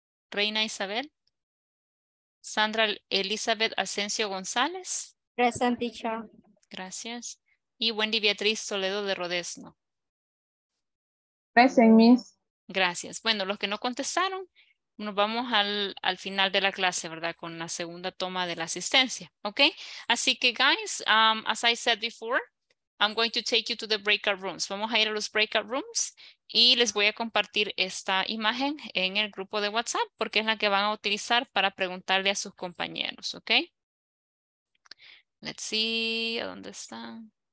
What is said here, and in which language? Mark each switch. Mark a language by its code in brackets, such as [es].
[es] Reina Isabel. Sandra Elizabeth Asensio González. [en] Present, teacher. [es] Gracias. Y Wendy Beatriz Toledo de Rodesno. [en] Present, miss. [es] Gracias. Bueno, los que no contestaron, nos vamos al final de la clase, ¿verdad? Con la segunda toma de la asistencia, ¿ok? Así que, [en] guys, as I said before, I'm going to take you to the breakout rooms. [es] Vamos a ir a los breakout rooms y les voy a compartir esta imagen en el grupo de WhatsApp porque es la que van a utilizar para preguntarle a sus compañeros, ¿ok? [en] Let's see, [es] ¿dónde están?